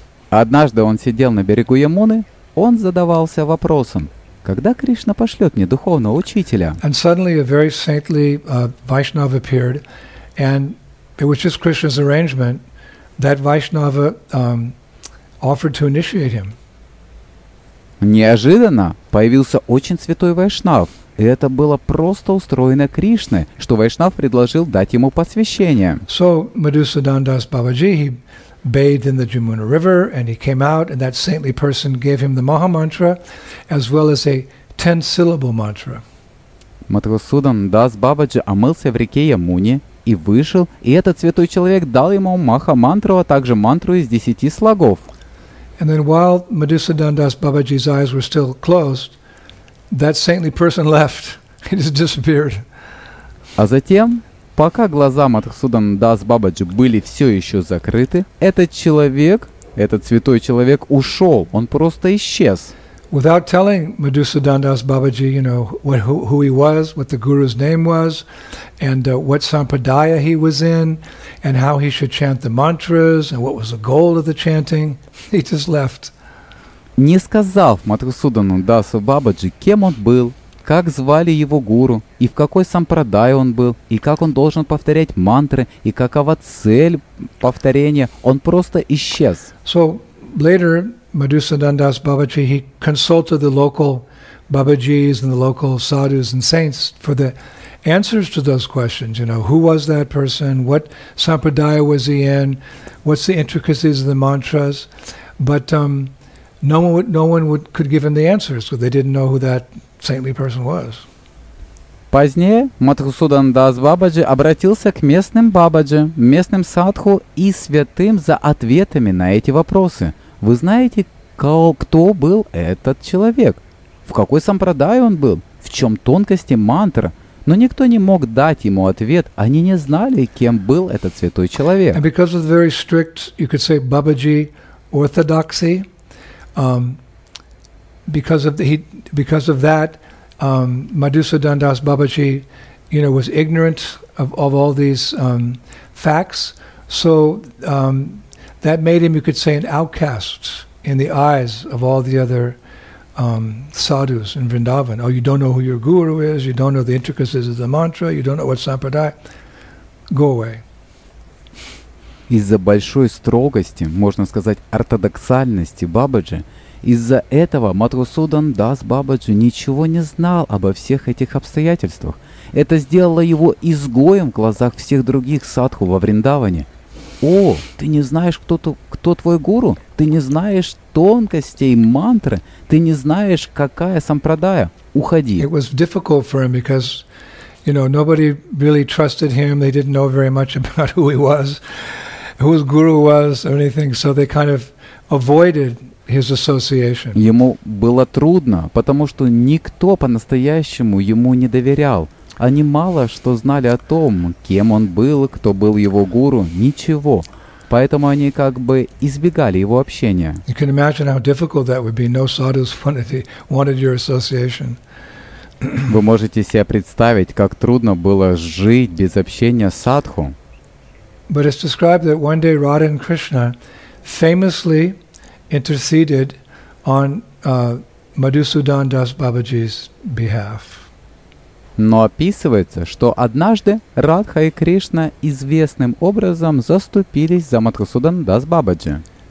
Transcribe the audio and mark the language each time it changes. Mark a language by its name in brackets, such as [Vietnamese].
[Russian] Однажды он сидел на берегу Ямуны, он задавался вопросом. когда Кришна пошлет мне духовного учителя? [English] And suddenly a very saintly Vaishnava appeared, and it was just Krishna's arrangement that Vaishnava offered to initiate him. [Russian] Неожиданно появился очень святой Вайшнав, и это было просто устроено Кришной, что Вайшнав предложил дать ему посвящение. [English] So Madhusudandas Babaji, he bathed in the Jamuna River, and he came out, and that saintly person gave him the Maha Mantra, as well as a 10-syllable mantra. [Russian] Madhusudandas Babaji омылся в реке Ямуне и вышел, и этот святой человек дал ему Маха Мантру, а также мантру из 10 слогов. [English] And then while Madhusudandas Babaji's eyes were still closed, that saintly person left. He just disappeared. [Russian] А затем, пока глаза Madhusudandas Babaji были все еще закрыты, этот человек, этот святой человек ушел. Он просто исчез. [English] Without telling Madhusudandas Babaji, you know, who he was, what the guru's name was, and what sampradaya he was in, and how he should chant the mantras, and what was the goal of the chanting, he just left. [Russian] Не сказав Madhusudandas Babaji, кем он был, как звали его гуру, и в какой сампрадае он был, и как он должен повторять мантры, и какова цель повторения, он просто исчез. [English] So, later, Madhusudandas Babaji, he consulted the local Babajis and the local sadhus and saints for the answers to those questions. You know, who was that person? What sampradaya was he in? What's the intricacies of the mantras? But no one could give him the answers because they didn't know who that saintly person was. [Russian] Позднее Madhusudandas Babaji обратился к местным бабаджи, местным садху и святым за ответами на эти вопросы. Вы знаете, кто был этот человек? В какой сампрадае он был? В чем тонкости мантра? Но никто не мог дать ему ответ. Они не знали, кем был этот святой человек. [English] And because of the very strict, you could say, Babaji orthodoxy, because of that, Madhusudandas Babaji, you know, was ignorant of all these facts. So that made him, you could say, an outcast in the eyes of all the other sadhus in Vrindavan. Oh, you don't know who your guru is, you don't know the intricacies of the mantra, you don't know what sampradaya. Go away. [Russian] Из-за большой строгости, можно сказать, ортодоксальности Бабаджи, из-за этого Madhusudandas Babaji ничего не знал обо всех этих обстоятельствах. Это сделало его изгоем в глазах всех других садху во Вриндаване. О, ты не знаешь, кто твой гуру? Ты не знаешь тонкостей мантры? Ты не знаешь, какая сампрадая? Уходи. [English] It was difficult for him because, you know, nobody really trusted him. They didn't know very much about who he was, who his guru was or anything. So they kind of avoided his association. [Russian] Ему было трудно, потому что никто по-настоящему ему не доверял. Они мало что знали о том, кем он был, кто был его гуру, ничего. Поэтому они как бы избегали его общения. [English] You can imagine how difficult that would be. No sadhus wanted your association. [Russian] Вы можете себе представить, как трудно было жить без общения с садху. [English] But it's described that one day Radha and Krishna famously interceded on Madhusudandas Babaji's behalf. [Russian] Но описывается, что однажды Радха и Кришна известным образом заступились за Madhusudandas Babaji.